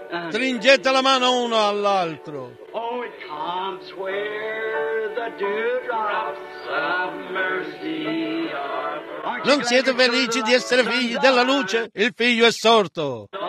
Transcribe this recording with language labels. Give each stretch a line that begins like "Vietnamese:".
Italian: Stringete la mano uno all'altro.
English: Oh, it comes where the dewdrops of mercy are.
Italian: Non siete felici di essere figli della luce? Il figlio è sorto.